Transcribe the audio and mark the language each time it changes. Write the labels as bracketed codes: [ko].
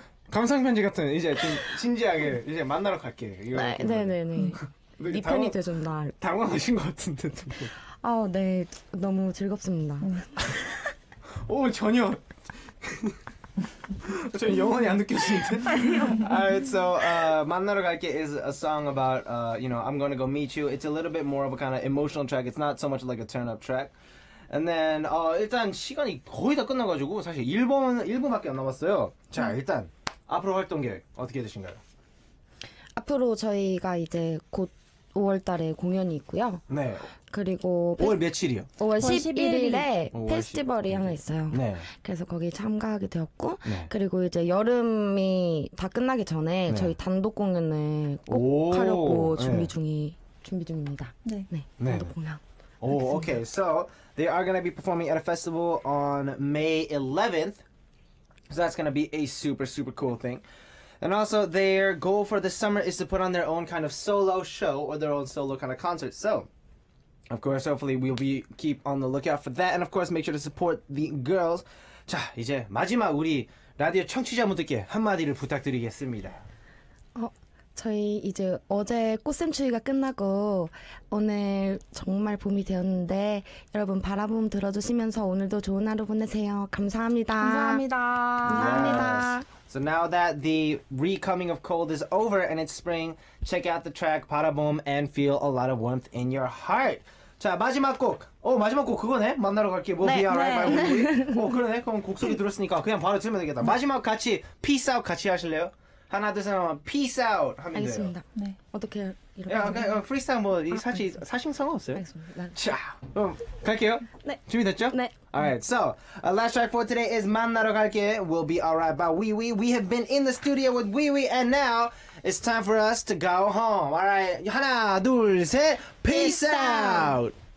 [ko] 감성 편지 같은 이제 좀 진지하게 이제 만나러 갈게. 네네네. 이 편이 되죠 나. 당황하신 것 같은데 좀. 아, 네, 너무 즐겁습니다. 오, 전혀. 저는 영원히 안 느껴지는데. [en] Alright, so 만나러 갈게 is a song about you know, I'm gonna go meet you. It's a little bit more of a kind of emotional track. It's not so much like a turn up track. And then [ko] 일단 시간이 거의 다 끝나가지고 사실 1분밖에 안 남았어요. 자 일단 앞으로 활동 계획 어떻게 되신가요? 앞으로 저희가 이제 곧 5월 달에 공연이 있고요. 네. 그리고 5월 며칠이요? 5월 11일에 페스티벌이 하나 있어요. 네. 그래서 거기 참가하게 되었고 네. 그리고 이제 여름이 다 끝나기 전에 네. 저희 단독 공연을 꼭 하려고 준비 중이 네. 준비 중입니다. 네. 네. 네. 단독 공연. 오, 오케이. [en] Okay. So they are going to be performing at a festival on May 11th. So that's going to be a super super cool thing. And also, their goal for the summer is to put on their own kind of solo show or their own solo kind of concert. So, of course, hopefully we'll be keep on the lookout for that. And of course, make sure to support the girls. [ko] 자, 이제 마지막 우리 라디오 청취자분들께 한마디를 부탁드리겠습니다. 저희 이제 어제 꽃샘추위가 끝나고 오늘 정말 봄이 되었는데 여러분 바라봄 들어주시면서 오늘도 좋은 하루 보내세요. 감사합니다. 감사합니다. 감사합니다. [en] Yes. So now that the re-coming of cold is over and it's spring, check out the track 바라봄 and feel a lot of warmth in your heart. [ko] 자 마지막 곡. 마지막 곡 그거네. 만나러 갈게. 뭐 네, [en] be alright 네. by Woody. 그러네. [ko] 그럼 곡 소리 들었으니까 그냥 바로 들으면 되겠다. 마지막 같이 [en] peace out [ko] 같이 하실래요? 하나 둘 셋 하면 peace out 하면 알겠습니다. 돼요. 알겠습니다. 네. 어떻게 이렇게 야, 프리스타일 뭐 이 사실 사심성은 없어요. 알겠습니다. 자, 그럼 갈게요. 네. 준비됐죠? 네. [en] Alright, so our last track for today is 만나러 갈게. We'll be alright by Wee Wee. We have been in the studio with Wee Wee and now it's time for us to go home. Alright, [ko] 하나 둘 셋 [en] peace out.